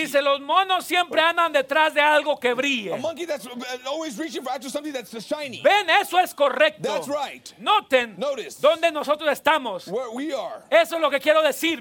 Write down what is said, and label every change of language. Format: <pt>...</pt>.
<es>Dice, los monos siempre andan detrás de algo que brille.</es> <en>A monkey that's always reaching for after something that's shiny.</en> <es>Ven, eso es correcto.</es> <en>That's right.</en> <es>Noten.</es> <en>Notice.</en> <es>Donde nosotros estamos.</es> <en>Where we are.</en> <es>Eso es lo que quiero decir.</es>